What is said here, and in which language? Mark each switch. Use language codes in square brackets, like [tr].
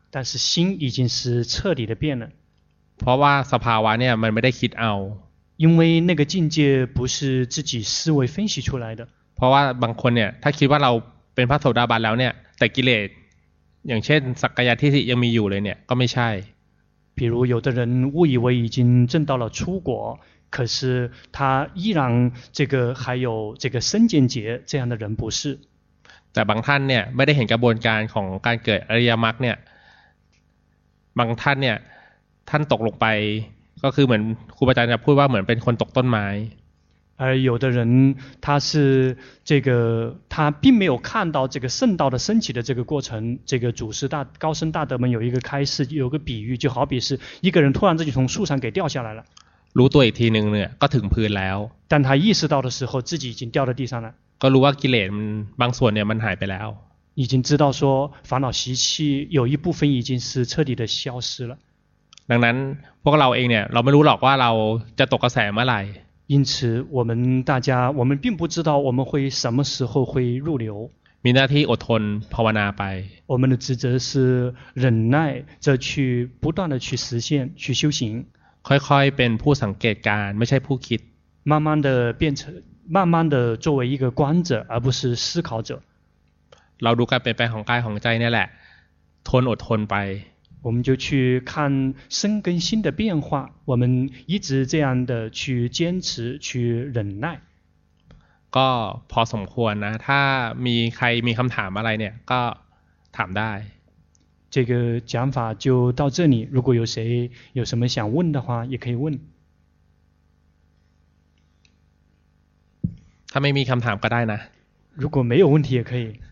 [zh] 但是心已经是彻底的变了 [th] เพราะว่าสภาวะเนี่ยมันไม่ได้คิดเอา [zh] 因为那个境界不是自己思维分析出来的 [th] เพราะว่าบางคนเนี่ยถ้าคิดว่าเราเป็นพระโสดาบันแล้วเนี่ยแต่กิเลสอย่างเช่นสักกายทิฏฐิยังมีอยู่เลยเนี่ยก็ไม่ใช่ [zh] 比如有的人误以为已经证到了出果可是他依然这个还有这个身见结这样的人不是 [th] แต่บางท่านเนี่ยไม่ได้เห็นกระบวนการของการเกิดอริยมรรคเนี่ยบางท่านเนี่ยท่านตกลงไปก็คือเหมือนครูบาอาจารย์จะพูดว่าเหมือนเป็นคนตกต้นไม้ [zh] 而有的人他是这个他并没有看到这个圣道的升起的这个过程这个祖师大高僧大德们有一个开示有个比喻就好比是一个人突然自己从树上给掉下来了 [th] รู้ตัวอีกทีนึงเนี่ยก็ถึงพื้นแล้ว [zh] 但他意识到的时候自己已经掉到地上了 [th] ก็รู้ว่ากิเลสมันบางส่วนเนี่ยมันหายไปแล้ว [zh] 已经知道说烦恼习气有一部分已经是彻底的消失了 [th] ดังนั้นพวกเราเองเนี่ยเราไม่รู้หรอกว่าเราจะตกกระแสเมื่อไหร่ [zh] 因此我们大家我们并不知道我们会什么时候会入流 [th] มีหน้าที่อดทนภาวนาไป [zh] 我们的职责是忍耐着去不断的去实现去修行 [th] ค่อยๆเป็นผู้สังเกตการไม่ใช่ผู้คิด [zh] 慢慢的变成慢慢的作为一个观者而不是思考者 [th] เราดูการเปลี่ยนแปลงของกายของใจเนี่ยแหละทนอดทนไป [zh] 我们就去看生跟心的变化我们一直这样的去坚持去忍耐 [th] ก็พอสมควรนะถ้ามีใครมีคำถามอะไรเนี่ยก็ถามได้ [zh] 这个讲法就到这里如果有谁有什么想问的话也可以问 [th] ถ้าไม่มีคำถามก็ได้นะ [zh] 如果没有问题也可以